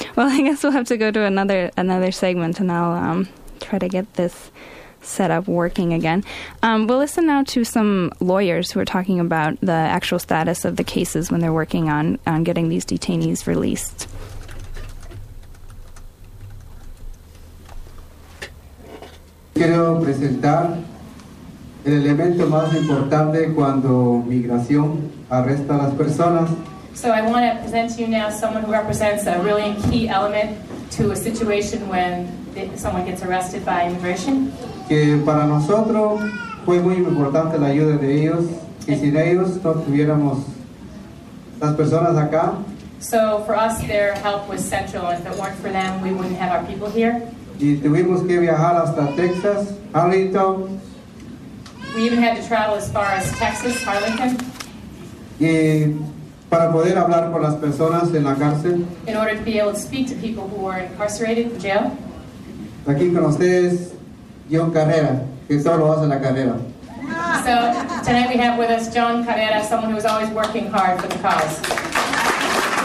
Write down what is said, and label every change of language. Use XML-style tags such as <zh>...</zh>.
<en>Well, I guess we'll have to go to another segment, and I'll try to get this set up working again. We'll listen now to some lawyers who are talking about the actual status of the cases when they're working on getting these detainees released.</en> <es>Quiero presentar el elemento más importante cuando migración arresta a las personas.</es> <en>So I want to present to you now someone who represents a really key element to a situation when someone gets arrested by immigration.</en> <es>Que para nosotros fue muy importante la ayuda de ellos, y sin ellos no tuviéramos las personas acá.</es> <en>So for us their help was central, and if it weren't for them we wouldn't have our people here.</en> <es>Y tuvimos que viajar hasta Texas, Arlington.</es> <en>We even had to travel as far as Texas, Arlington.</en> <es>Y para poder hablar con las personas en la cárcel.</es> <en>In order to be able to speak to people who were incarcerated in jail.</en> <es>Aquí con ustedes, John Carrera, que solo hace la carrera.</es> <en>So tonight we have with us John Carrera, someone who is always working hard for the cause.</en>